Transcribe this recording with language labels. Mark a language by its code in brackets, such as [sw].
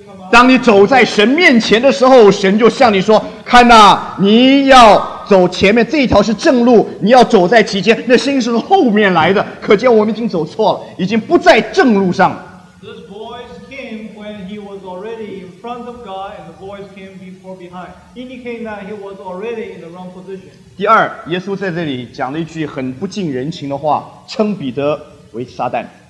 [zh] 当你走在神面前的时候，神就向你说：“看哪、啊，你要走前面这一条是正路，你要走在其间。” 那声音是从后面来的，可见我们已经走错了，已经不在正路上了。 [en] This voice came when he was already in front of God, and the voice came before behind, indicating that he was already in the wrong position. [zh] 第二，耶稣在这里讲了一句很不近人情的话，称彼得为撒旦。